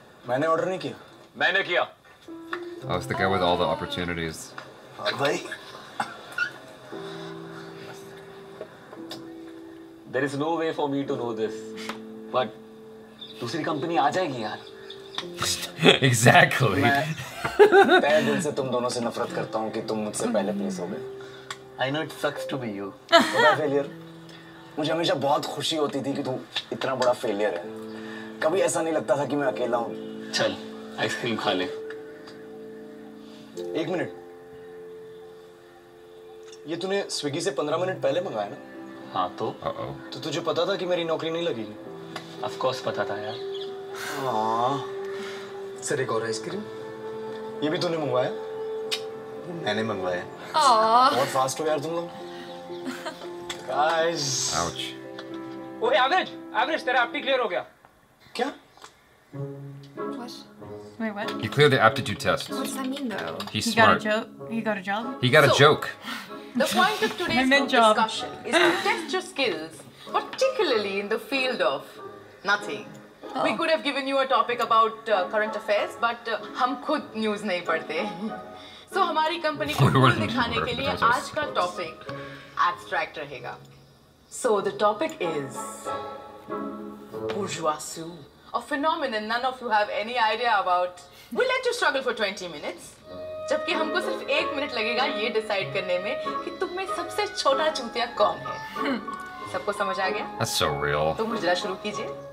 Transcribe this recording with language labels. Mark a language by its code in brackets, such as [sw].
[hi] Maine order nahi kiya. Maine kiya. [en] Oh, it's the guy with all the opportunities. [hi] Bhai. [en] There is no way for me to know this, but [hi] dusri company aa jayegi yaar. [en] Exactly. [hi] तेरे दिल से तुम दोनों से नफरत करता हूँ कि तुम मुझसे पहले प्लेस हो गए। [en] I know it sucks to be you. [hi] बड़ा फेलियर। मुझे हमेशा बहुत खुशी होती थी कि तू इतना बड़ा फेलियर है। कभी ऐसा नहीं लगता था कि मैं अकेला हूँ। चल, आइसक्रीम खा ले। एक मिनट। ये तूने स्विगी से 15 मिनट पहले मंगाया ना? हाँ तो। तो तुझे पता था कि मेरी नौकरी नहीं लगेगी? [en] Of course [hi] पता था यार। सर एक और आइसक्रीम ये भी तूने मंगवाया मैंने मंगवाया बहुत फास्ट हो यार तुम लोग गाइस आउच ओए एवरेज एवरेज तेरा एप्टी क्लियर हो गया क्या [en] Wait, what? You cleared the aptitude test. What does that mean, though? He's smart. He got a joke. The point of today's discussion is to test your skills, particularly in the field of nothing. Oh. We could have given you a topic about current affairs, but [hi] hum khud news nahi padte. So, हमारी company को cool दिखाने के लिए आज का topic abstract रहेगा। [en] So, the topic is bourgeoisie, a phenomenon none of you have any idea about. We'll let you struggle for 20 minutes. [hi] जबकि हमको सिर्फ एक मिनट लगेगा ये डिसाइड करने में कि तुम में सबसे छोटा चूतिया कौन है। सबको समझ आ गया? [en] That's so real. [hi] तो मुझे शुरू कीजिए।